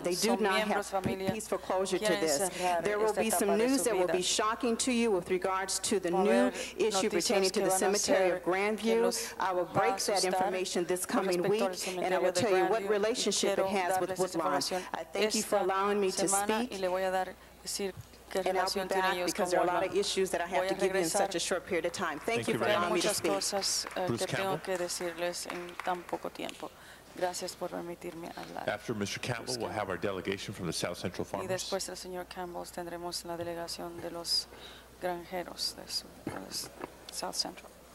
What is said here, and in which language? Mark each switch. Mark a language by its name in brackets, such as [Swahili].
[English] They do not have peaceful closure to this. There will be some news that will be shocking to you with regards to the new issue pertaining to the cemetery of Grandview. I will break that information this coming week, and I will tell you what relationship it has with Woodlawn. I thank you for allowing me to speak. And I'll be back because there are a lot of issues that I have to give you in such a short period of time. Thank you for allowing me to speak. [Spanish] Hay muchas cosas que tengo que decirles en tan poco tiempo. Gracias por permitirme hablar. [English] After Mr. Campbell, we'll have our delegation from the South Central Farmers. [Spanish] Y después del señor Campbell tendremos la delegación de los granjeros de South Central.